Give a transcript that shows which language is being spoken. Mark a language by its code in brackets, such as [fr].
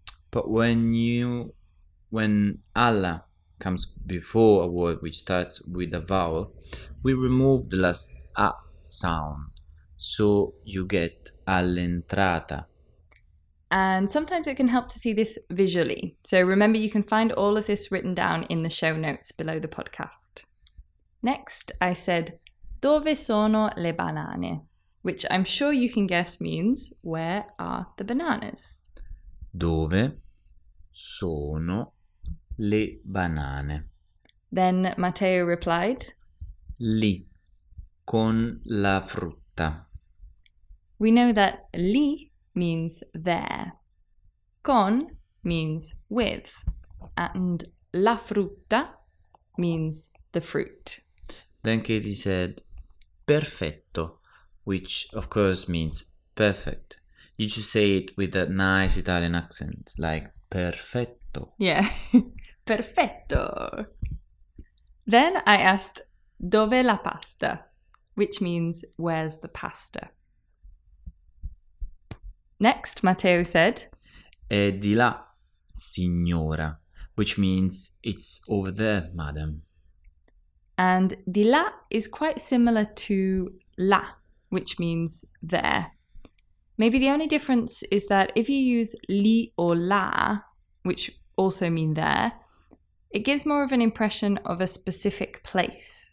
[en] But when alla comes before a word which starts with a vowel, we remove the last a sound, so you get all'entrata. And sometimes it can help to see this visually. So remember, you can find all of this written down in the show notes below the podcast. Next, I said, [it] dove sono le banane? [en] Which I'm sure you can guess means, where are the bananas? [it] Dove sono le banane? [en] Then Matteo replied, [it] lì, con la frutta. [en] We know that lì means there. Con means with. And la frutta means the fruit. Then Katie said, perfetto, which of course means perfect. You just say it with a nice Italian accent, like perfetto. Yeah, perfetto. Then I asked, [it] dov'è la pasta? [en] which means where's the pasta? Next, Matteo said, [it] è di là, signora, [en] which means it's over there, madam. And di là is quite similar to là, which means there. Maybe the only difference is that if you use lì or là, which also mean there, it gives more of an impression of a specific place.